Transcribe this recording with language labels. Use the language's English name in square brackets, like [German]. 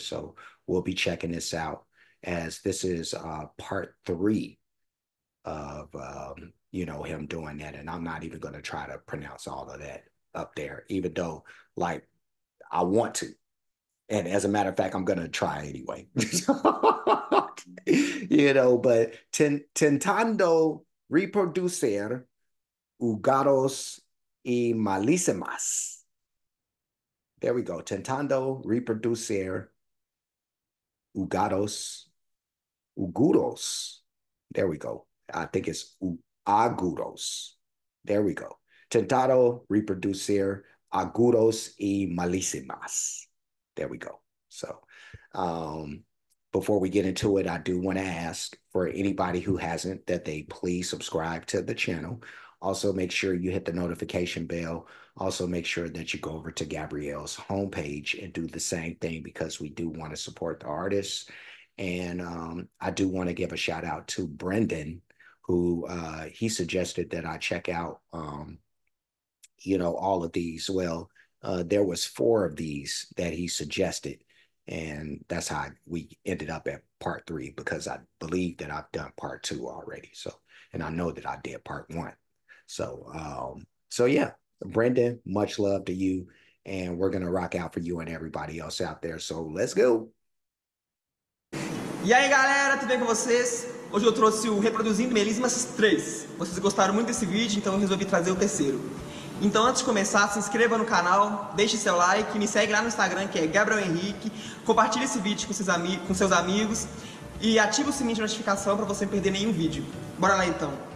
[English] So we'll be checking this out. As this is part three of him doing that, and I'm not even going to try to pronounce all of that up there, even though like I want to, and as a matter of fact, I'm going to try anyway. But Tentando Reproducir, Agudos y Melisimas. There we go. Tentando Reproducir, Agudos. Agudos. There we go. I think it's Agudos. There we go. Tentado reproducir agudos y malísimas. There we go. So, before we get into it, I do want to ask for anybody who hasn't that they please subscribe to the channel. Also, make sure you hit the notification bell. Also, make sure that you go over to Gabrielle's homepage and do the same thing because we do want to support the artists. And I do want to give a shout out to Brendan, who he suggested that I check out all of these. Well, there was four of these that he suggested, and that's how we ended up at part three, because I believe that I've done part two already. So, and I know that I did part one. So yeah, Brendan, much love to you, and we're gonna rock out for you and everybody else out there. So let's go. [Portuguese] E aí galera, tudo bem com vocês? Hoje eu trouxe o Reproduzindo Melisimas 3. Vocês gostaram muito desse vídeo, então eu resolvi trazer o terceiro. Então antes de começar, se inscreva no canal, deixe seu like, me segue lá no Instagram que é Gabriel Henrique, compartilhe esse vídeo com seus amigos e ative o sininho de notificação para você não perder nenhum vídeo. Bora lá então!